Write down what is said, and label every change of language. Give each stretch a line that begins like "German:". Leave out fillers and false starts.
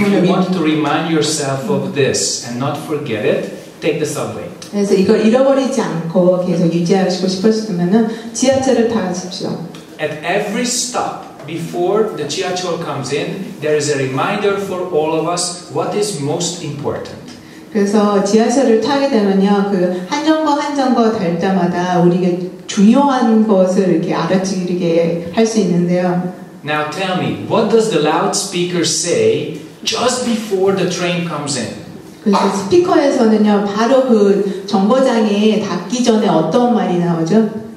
English: if you want to remind yourself of this and not forget it, take the subway.
Korean: 그래서 이걸 잃어버리지 않고 계속 유지하시고 싶으시다면은 지하철을 타십시오.
English: At every stop before the 지하철 comes in, there is a reminder for all of us what is most important.
Korean: 그래서 지하철을 타게 되면요, 그 한 정거 한 정거 될 때마다 우리가 중요한 것을 이렇게 알아차리게 할 수 있는데요.
English: Now tell me, what does the loudspeaker say just before the train comes in?
Korean: 그래서 스피커에서는요, 바로 그 정거장에 닿기 전에 어떤 말이 나오죠?